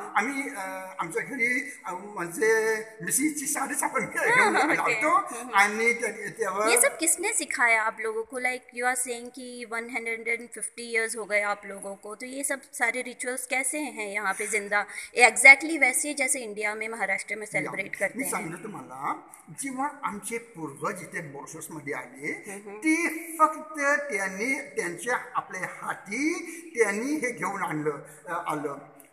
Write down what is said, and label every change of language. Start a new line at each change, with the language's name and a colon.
Marathi: आम्ही आमच्या घरी म्हणजे मिसीची साडी आपण घालतो आणि त्यावर
Hindi: हे सब किसने सिखाया आप लोगों को?
English: like you are saying
Hindi: की 150 इयर्स हो गए आप लोगों को, तो ये सब सारे रिचुअल्स कैसे हैं यहाँ पे जिंदा एग्जैक्टली वैसे जैसे इंडिया में महाराष्ट्र में सेलिब्रेट करते हैं?
Marathi: सांगतो तुम्हाला जेव्हा आमचे पूर्वज इथे मॉरिशस मध्ये आले ते फक्त त्यांनी त्यांच्या आपल्या हाती त्यांनी हे घेऊन आणलं आलं